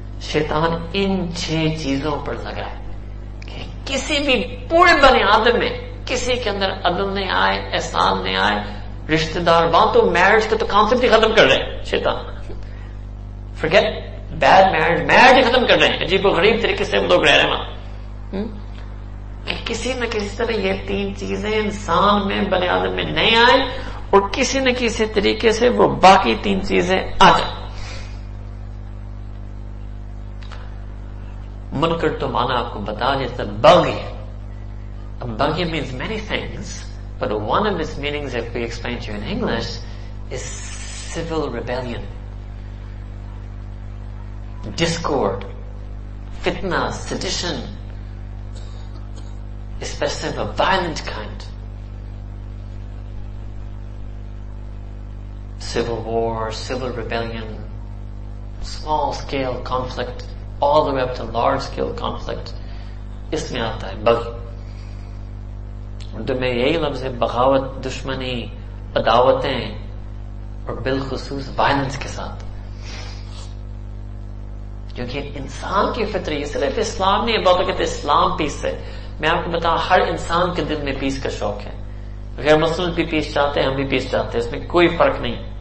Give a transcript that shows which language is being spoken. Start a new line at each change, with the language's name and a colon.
Hindi: शैतान इन छह चीजों पर लगा है कि किसी भी पूरे बनी आदम में किसी के अंदर अदल नहीं आए, एहसान नहीं आए, रिश्तेदार बांधो, मैरिज का तो कॉन्सेप्ट ही खत्म कर रहे हैं शैतान,
English: forget bad marriage,
Hindi: मैरिज खत्म कर रहे हैं, अजीब गरीब तरीके से हम लोग रह रहे हैं। किसी न किसी तरह ये तीन चीजें इंसान में बने आदम में नहीं आए, और किसी न किसी तरीके से वो बाकी तीन चीजें आ जाए, मुनकर तो माना आपको बता देते बगी,
English: बगी means many things, but one of its meanings if we explain to you in English is civil rebellion, discord, fitna, sedition, especially of a violent kind, civil war, civil rebellion, small scale conflict all the way up to large scale conflict,
Hindi: isme aata hai bagh। Urdu में यही लफ्ज है बगावत, दुश्मनी, अदावतें, और बिलखसूस violence के साथ, क्योंकि इंसान की फितरत है, सिर्फ इस्लाम नहीं है, बाबा कहते इस्लाम पीस है, मैं आपको बता हर इंसान के दिल में पीस का शौक है, गैर मुस्लिम भी पीस चाहते हैं, हम भी पीस चाहते हैं, इसमें कोई फर्क नहीं।